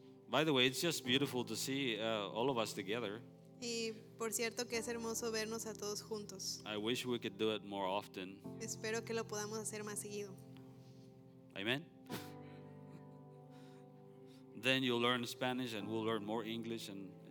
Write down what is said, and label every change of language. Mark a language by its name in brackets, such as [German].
[English] By the way, it's just beautiful to see all of us together. [Spanish] Y por cierto que es hermoso vernos a todos juntos. [English] I wish we could do it more often. [Spanish] Espero que lo podamos hacer más seguido. [English] Amen. Then you'll learn Spanish, and we'll learn more English, and